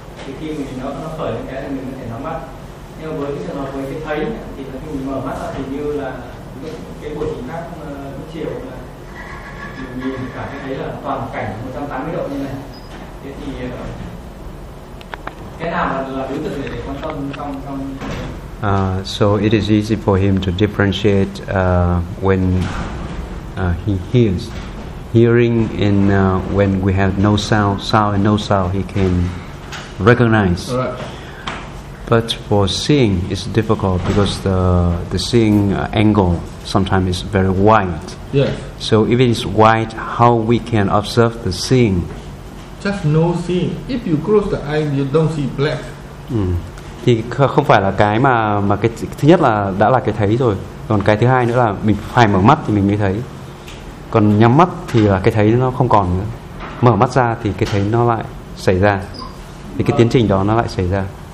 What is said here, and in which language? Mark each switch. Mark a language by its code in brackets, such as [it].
[vi] Thì khi mình nó khởi những cái thì mình có thể nắm bắt. Nhưng mà với cái trường hợp với cái thấy thì là khi mình mở mắt ra thì như là cái buổi chính xác lúc chiều là mình nhìn cả cái thấy là toàn cảnh 180 độ như này. Thế thì cái nào là đối tượng để quan tâm trong trong [en] So it is easy for him to differentiate when he hears, hearing, and when we have no sound, sound and no sound, he can recognize. Right. But for seeing, it's difficult because the seeing angle sometimes is very wide. Yes. So if it is wide, how we can observe the seeing? Just no seeing. If you close the eye, you don't see black. Mm. [vi] Thì không phải là cái mà cái thứ nhất là đã là cái thấy rồi. Còn cái thứ hai nữa là mình phải mở mắt thì mình mới thấy. Còn nhắm mắt thì là cái thấy nó không còn nữa. Mở mắt ra thì cái thấy nó lại xảy ra. Thì cái tiến trình đó nó lại xảy ra.